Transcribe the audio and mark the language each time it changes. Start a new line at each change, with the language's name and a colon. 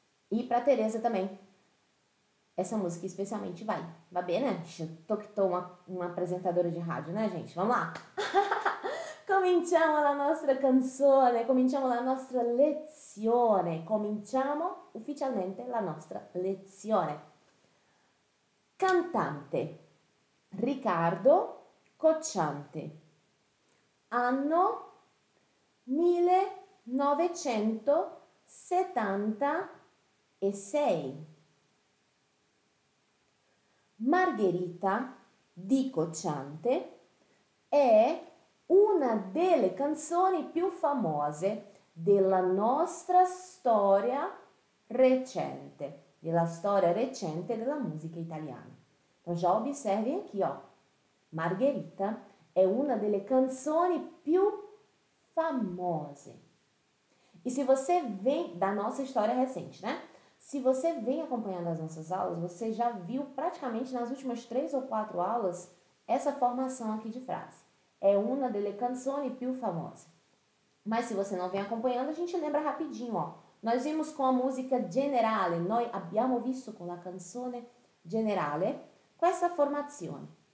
Portuguese: E pra Tereza também. Essa música especialmente vai. Vai bem, né? Tô uma apresentadora de rádio, né, gente? Vamos lá.
Italian: Cominciamo la nostra canzone, cominciamo la nostra lezione, cominciamo ufficialmente la nostra lezione. Cantante, Riccardo Cocciante, anno 1976. Margherita di Cocciante è una delle canzoni più famose della nostra storia recente, della storia recente della musica italiana.
Portuguese: Então, já observem aqui, ó.
Italian: Margherita è una delle canzoni più famose.
Portuguese: E se você vem da nossa história recente, né? Se você vem acompanhando as nossas aulas, você já viu praticamente nas últimas 3 ou 4 aulas essa formação aqui de frase.
Italian: É una delle canzoni più famose.
Portuguese: Mas se você não vem acompanhando, a gente lembra rapidinho, ó. Nós vimos com a música
Italian: Generale, noi abbiamo visto con la canzone Generale questa formazione.